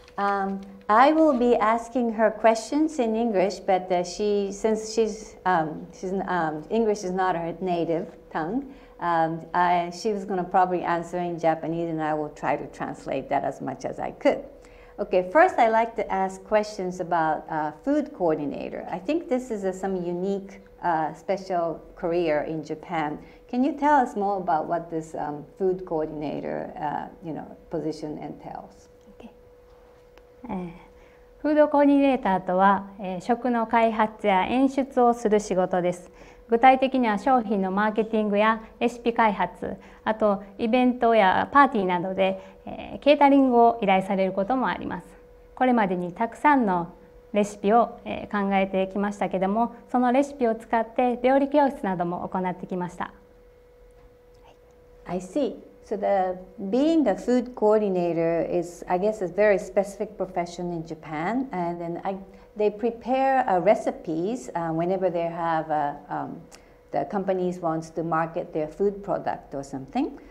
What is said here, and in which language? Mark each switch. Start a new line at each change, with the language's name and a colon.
English: I will be asking her questions in English, but since English is not her native tongue, she was going to probably answer in Japanese, and I will try to translate that as much as I could. Okay, first I'd like to ask questions about food coordinator. I think this is some unique, special career in Japan. Can you tell us more about what this food coordinator position entails? Okay.
Japanese: フードコーディネーターとは、食の開発や演出をする仕事です。具体的には商品のマーケティングやレシピ開発、あとイベントやパーティーなどで、ケータリングを依頼されることもあります。これまでにたくさんのレシピを、考えてきましたけれども、そのレシピを使って料理教室なども行ってきました。
English: I see. So the being the food coordinator is, I guess, a very specific profession in Japan. And then they prepare recipes whenever they have the companies wants to market their food product or something.